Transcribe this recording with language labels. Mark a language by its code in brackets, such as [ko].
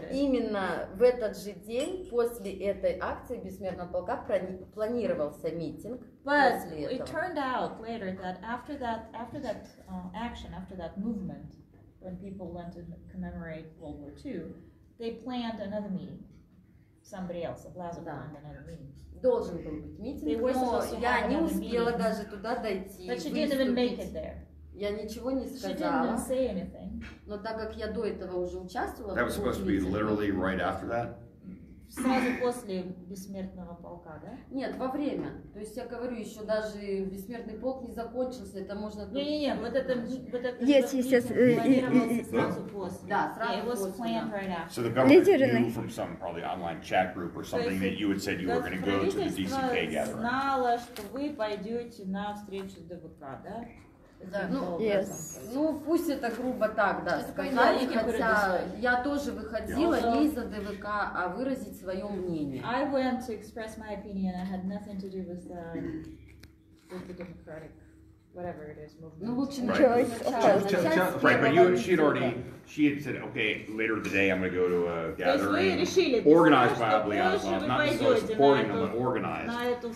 [ru] именно в этот же день после этой акции бессмертного полка планировался митинг. После этого. [en] It turned out later that after that action, after that movement, when people went to commemorate World War II, they planned another meeting. Somebody else, Облязов, да. [ru] Должен был быть митинг, но я не успела даже туда дойти. [en] But she didn't even make it there. [ru] Я ничего не сказала. [en] She didn't say anything. [ru] Но так как я до этого уже участвовала. [en] That was supposed to be literally right after that. [ru] Сразу после бессмертного полка, да? Нет, во время. То есть я говорю, еще даже бессмертный полк не закончился, это можно. Не, вот это. Есть, есть, есть. Сразу после. Да, сразу после. [en] It was planned right after. So the government knew from some probably online chat group or something that you had said you were going to go to the DCK gathering. [ru] Знала, что вы пойдете на встречу ДВК, да? Ну, пусть это грубо так, да, сказали, хотя я тоже выходила не из-за ДВК, а выразить свое мнение. [en] I went to express my opinion, I had nothing to do with the democratic. But she'd already, she had said, okay, later today I'm going to go to a gathering organized by Ablyazov, not necessarily supporting them, but organized.